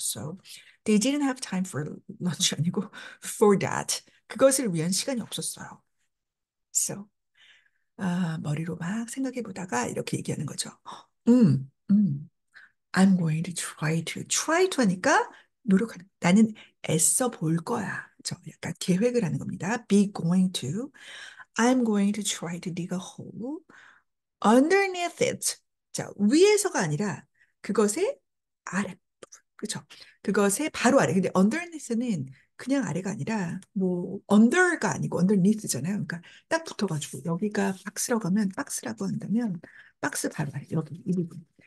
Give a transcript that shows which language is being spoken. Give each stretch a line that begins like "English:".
English: So, they didn't have time for lunch
Korean: 아니고,
English: for that.
Korean: 그것을 위한 시간이 없었어요. So, 아, 머리로 막 생각해 보다가 이렇게 얘기하는 거죠.
English: I'm going to try to. Try to
Korean: 하니까 노력하는. 나는 애써 볼 거야. 저 약간 계획을 하는 겁니다.
English: Be going to. I'm going to try to dig a hole underneath it.
Korean: 자, 위에서가 아니라 그것의 아래. 그렇죠? 그것의 바로 아래. 근데 underneath는 그냥 아래가 아니라 뭐 under가 아니고 underneath잖아요. 그러니까 딱 붙어가지고 여기가 박스라고 하면, 박스라고 한다면 박스 바로 아래. 여기 이 부분.